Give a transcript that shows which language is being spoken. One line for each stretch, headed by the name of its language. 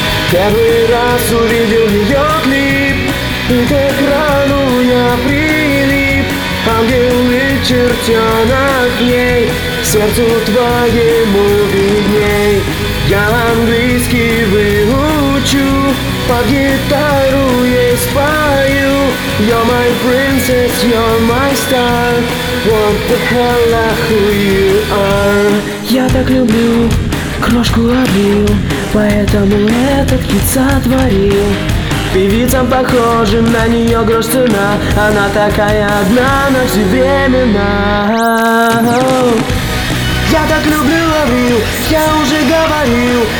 Russian: Первый раз увидел ее клип, и к экрану я прилип. Ангел и чертенок ей, сердцу твоему видней. Я английский выучу, под гитару ей спою.
English: You're my princess, you're my star. What the hell are who you are?
Russian: Я так люблю крошку Аврил, поэтому этот хит сотворил. Певицам похожим на нее грош цена. Она такая одна на все времена. Я так люблю Аврил, я уже говорил.